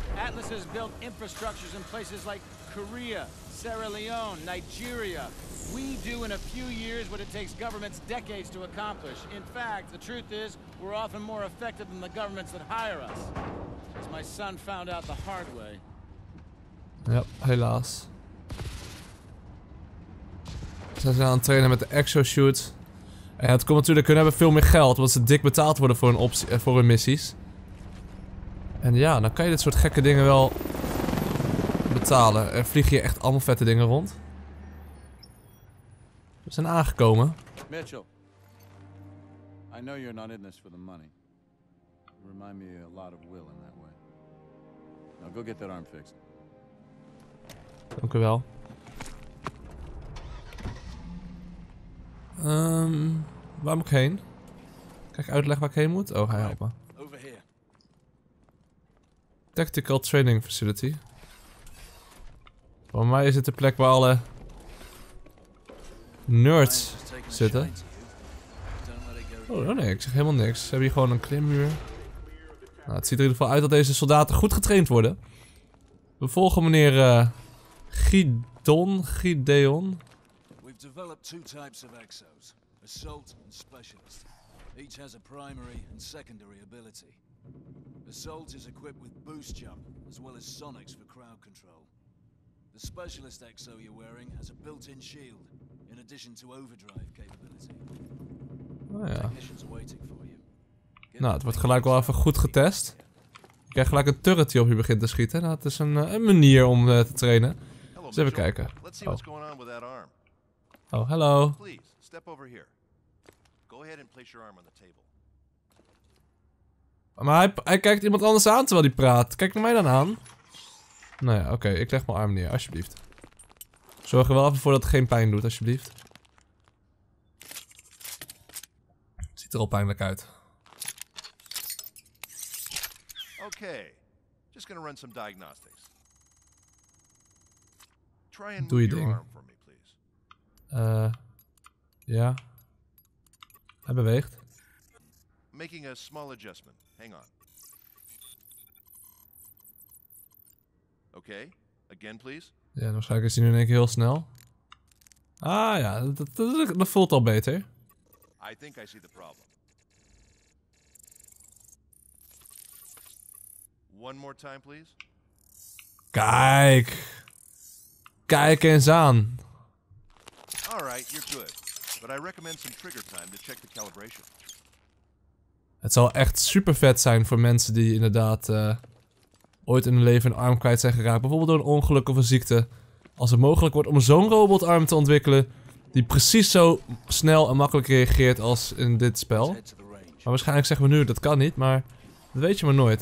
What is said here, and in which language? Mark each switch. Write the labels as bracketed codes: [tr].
[en] Atlas has built infrastructures in places like Korea, Sierra Leone, Nigeria. We do in a few years what it takes governments decades to accomplish. In fact, the truth is, we're often more effective than the governments that hire us. As my son found out the hard way. [nl] Yep, helaas. Ze zijn aan het trainen met de exosuit. En het komt natuurlijk, hun hebben veel meer geld, want ze dik betaald worden voor hun missies. En ja, dan kan je dit soort gekke dingen wel betalen. Er vliegen hier echt allemaal vette dingen rond. We zijn aangekomen. [en] Mitchell, I know you're not in this for the money. Remind me a lot of Will in that way. Now go get that arm fixed. [nl] Dank u wel. Waar moet ik heen? Kijk, uitleg waar ik heen moet. Oh, ga je helpen. Over hier. [en] Tactical Training Facility. [nl] Voor mij is het de plek waar alle nerds zitten. Oh, nee, ik zeg helemaal niks. Ze hebben hier gewoon een klimmuur. Nou, het ziet er in ieder geval uit dat deze soldaten goed getraind worden. We volgen meneer Gideon. [en] We've developed two types of exos. Assault and specialist. Each has a primary and secondary ability. Assault is equipped with boost jump, as well as sonics for crowd control. The specialist exo you're wearing has a built-in shield, in addition to overdrive capability. Technicians waiting for you. [nl] Nou, het wordt gelijk wel even goed getest. Je krijgt gelijk een turret die op je begint te schieten. Nou, het is een manier om te trainen. Dus even kijken. [en] Let's see what's going on with that arm. Oh, hello. Please, step over here. Go ahead and place your arm on the table. [nl] Maar hij kijkt iemand anders aan terwijl hij praat. Kijk mij dan aan. Nou ja, oké. Ik leg mijn arm neer, alsjeblieft. Zorg er wel even voor dat het geen pijn doet, alsjeblieft. Ziet er al pijnlijk uit. [en] Oké. Just gonna run some diagnostics. Try and move your arm for me, please. [nl] Ja. Hij beweegt. [en] Making a small adjustment. Hang on. Okay. Again, please. [nl] Ja, dan waarschijnlijk is hij nu in één keer heel snel. Ah ja, dat voelt al beter. [en] I think I see the problem. One more time, please. [nl] Kijk. Kijk eens aan. [en] Alright, you're good. But I recommend some trigger time to check the calibration. [nl] Het zal echt super vet zijn voor mensen die inderdaad ooit in hun leven een arm kwijt zijn geraakt. Bijvoorbeeld door een ongeluk of een ziekte. Als het mogelijk wordt om zo'n robotarm te ontwikkelen die precies zo snel en makkelijk reageert als in dit spel. Maar waarschijnlijk zeggen we nu dat kan niet, maar dat weet je maar nooit.